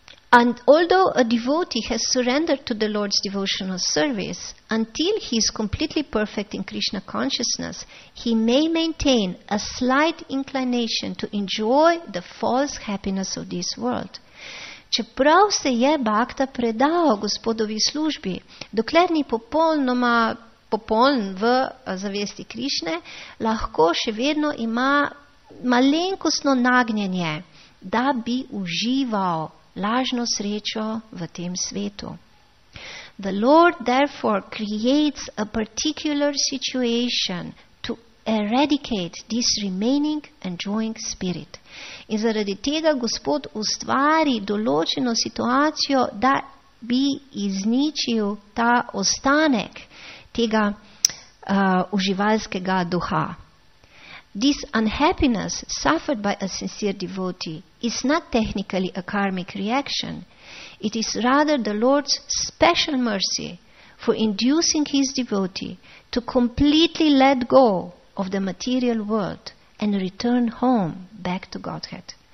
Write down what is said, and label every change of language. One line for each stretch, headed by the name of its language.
English: And although a devotee has surrendered to the Lord's devotional service, until he is completely perfect in Krishna consciousness, he may maintain a slight inclination to enjoy the false happiness of this world.
Slovenian: Čeprav se je bhakta predal gospodovi službi, dokler ni popolnoma popoln v zavesti Krišne, lahko še vedno ima malenkostno nagnjenje, da bi užival lažno srečo v tem svetu.
English: The Lord therefore creates a particular situation to eradicate this remaining enjoying spirit.
Slovenian: In zaradi tega Gospod ustvari določeno situacijo, da bi izničil ta ostanek tega uživalskega duha.
English: This unhappiness suffered by a sincere devotee is not technically a karmic reaction. It is rather the Lord's special mercy for inducing his devotee to completely let go of the material world and return home back to Godhead.